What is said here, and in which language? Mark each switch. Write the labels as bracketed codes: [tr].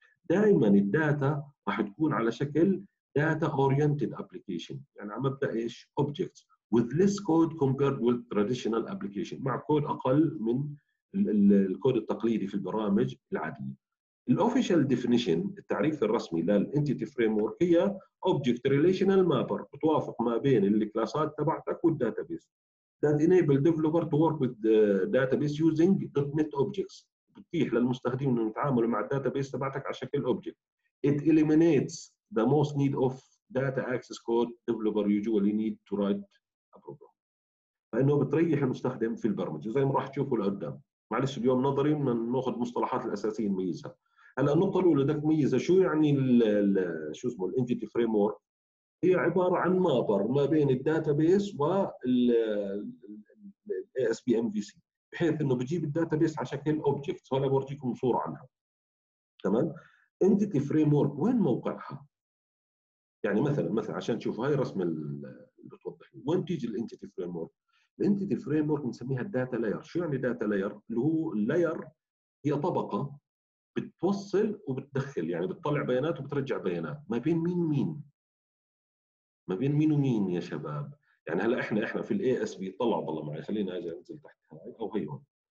[ar] دائما الداتا راح تكون على شكل [en] Data-oriented application، [ar] يعني عم أبدأ إيش؟ [en] Objects with less code compared with traditional application، [ar] مع كود أقل من الكود التقليدي في البرامج العادية. [en] The official definition، [ar] التعريف الرسمي للEntity Framework هي [en] Object-relational mapper، [ar] بتوافق ما بين الكلاسات تبعتك والDatabase. [en] That enable developer to work with database using .NET Objects، [ar] بتتيح للمستخدم أن يتعامل مع الDatabase تبعتك على شكل Object. [en] It eliminates the most need of data access code developer usually need to write a program. [ar] فإنه بتريح المستخدم في البرمجة زي ما راح تشوفه لقدام. معلش اليوم نظري من نأخذ مصطلحات الأساسية نميزها. هلأ النقطة الأولى دك ميزة شو يعني الـ شو اسمه الـ Entity Framework؟ هي عبارة عن مابر ما بين الـ Database والـ ASP/MVC بحيث أنه بجيب الـ Database على شكل Object. هلا بورجيكم صورة عنها. تمام؟ Entity Framework وين موقعها؟ يعني مثلا عشان تشوف هاي الرسمة اللي بتوضح وين تيجي الEntity Framework. الEntity Framework نسميها Data Layer. شو يعني Data Layer؟ اللي هو Layer هي طبقة بتوصل وبتدخل، يعني بتطلع بيانات وبترجع بيانات ما بين مين مين؟ ما بين مين ومين يا شباب؟ يعني هلا احنا في الASP طلع ضل معي خلينا اجي انزل تحت هاي او هي هون.